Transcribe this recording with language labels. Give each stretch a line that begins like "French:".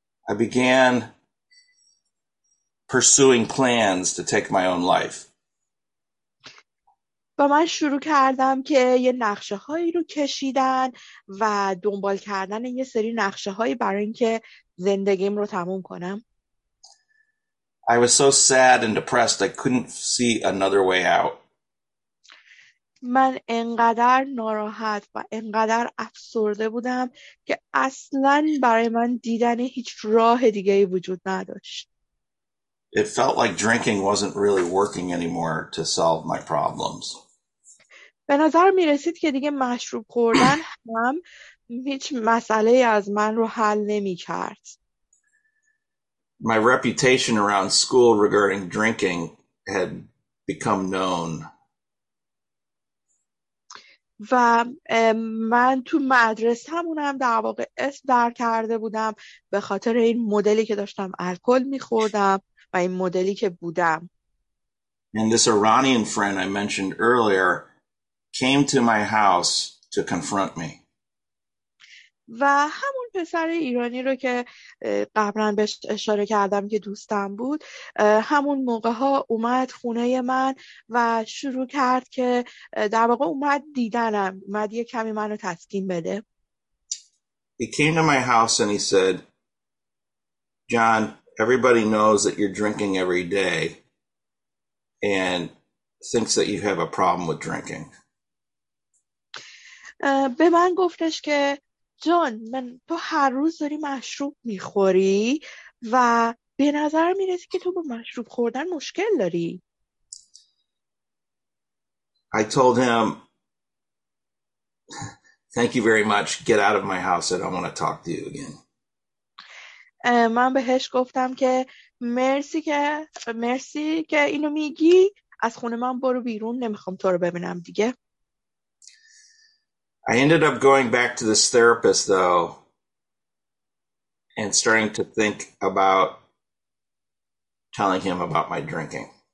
English: I began pursuing plans to take my own life.
Persian: و من شروع کردم که یه نقشه هایی رو کشیدن و دنبال کردن یه سری نقشه هایی برای اینکه زندگیم رو تموم کنم.
English: I was so sad and depressed I couldn't see another way out.
Persian: من انقدر ناراحت و انقدر افسرده بودم که اصلاً برای من دیدن هیچ راه دیگه‌ای وجود نداشت.
English: It felt like drinking wasn't really working anymore to solve my problems.
Persian: به نظر می رسید که دیگه مشروب خوردن هم هیچ مسئله‌ای از من رو حل نمی کرد.
English: My reputation around school regarding drinking had become known.
Persian: و من تو مدرسه همونم در واقع اسم در کرده بودم به خاطر این مدلی که داشتم الکل می‌خوردم و این مدلی که بودم.
English: And this Iranian friend I mentioned earlier came to my house to confront me.
Persian: و همون پسر ایرانی رو که قبلا بهش اشاره کردم که دوستم بود همون موقع ها اومد خونه من و شروع کرد که در واقع اومد دیدنم، اومد یه کمی منو تسکین بده.
English: He came to my house and he said, John, everybody knows that you're drinking every day and thinks that you have a problem with drinking.
Persian: به من گفتش که جان من تو هر روز داری مشروب میخوری و به نظر میرسی که تو با مشروب خوردن مشکل داری.
English: I told him, thank you very much, get out of my house, I don't want to talk to you again.
Persian: من بهش گفتم که مرسی که اینو میگی، از خونه من برو بیرون، نمیخوام تو رو ببینم دیگه.
English: I ended up going back to this therapist, though, and starting to think about telling him about my drinking.